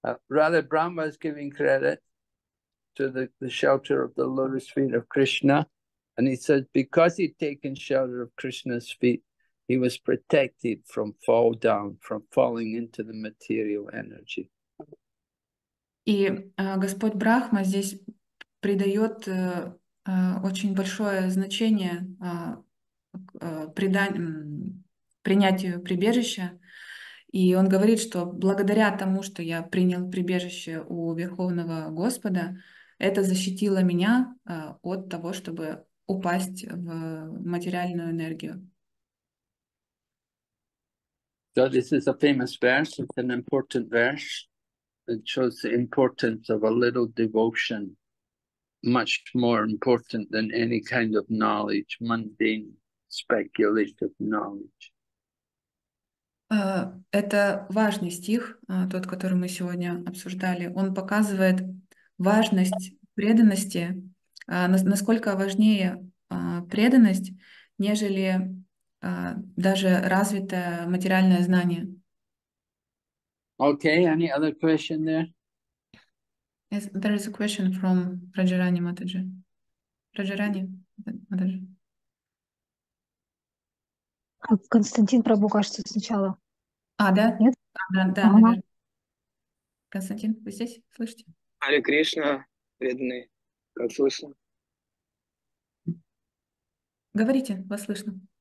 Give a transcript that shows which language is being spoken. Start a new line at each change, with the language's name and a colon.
English: Rather, Brahma is giving credit to the shelter of the lotus feet of Krishna. And he says, because he'd taken shelter of Krishna's feet, he was protected from fall down, from falling into the material energy.
Russian: И Господь Брахма здесь придает очень большое значение принятию прибежища. И он говорит, что благодаря тому, что я принял прибежище у Верховного Господа, это защитило меня от того, чтобы упасть в материальную энергию.
English: So this is a famous verse, it's an important verse. It shows the importance of a little devotion, much more important than any kind of knowledge, mundane, speculative knowledge.
Russian: Это важный стих, тот, который мы сегодня обсуждали. Он показывает важность преданности, насколько важнее преданность, нежели даже развитое материальное знание.
English: Okay, any other question there? Yes, there is a question from Rajarani Mataji. Rajarani Mataji.
Russian: Константин Прабху, кажется, сначала. А, да? Нет? Да, наверное. Константин, вы здесь? Слышите? Хари Кришна, преданный. Как слышно? Говорите, вас слышно.